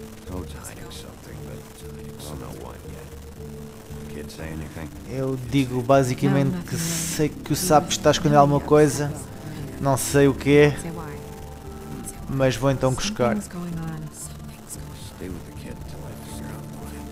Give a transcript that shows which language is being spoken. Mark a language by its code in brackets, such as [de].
[en] Toad's hiding something, but I don't know what yet. Can't say anything. [pt] Eu digo basicamente que sei que o sapo está a esconder alguma coisa. Não sei o quê. Mas vou então cuscar. [en] Stay with the kid until I figure out what.